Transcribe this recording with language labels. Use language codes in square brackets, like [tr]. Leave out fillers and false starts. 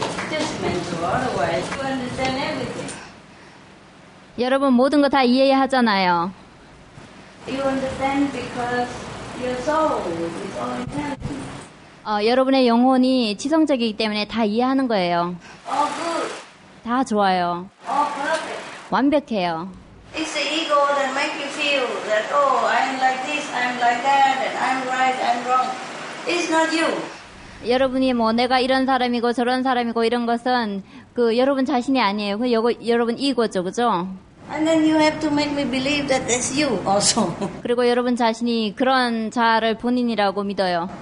[en] Just mentor, otherwise you understand everything. [ko] 여러분 모든 거 다 이해하잖아요. [en] You understand because your soul is all-intelligent. [ko] 여러분의 영혼이 지성적이기 때문에 다 이해하는 거예요. [en] All good. [ko] 다 좋아요. [en] All perfect. [ko] 완벽해요. [en] It's the ego that makes you feel that, oh, I'm like this, I'm like that, and I'm right, I'm wrong. It's not you. [ko] 여러분이 뭐 내가 이런 사람이고 저런 사람이고 이런 것은 그 여러분 자신이 아니에요. 그 여러분 이거죠, 그죠? [en] And then you have to make me believe that that's you also. [ko] 그리고 여러분 자신이 그런 자아를 본인이라고 믿어요.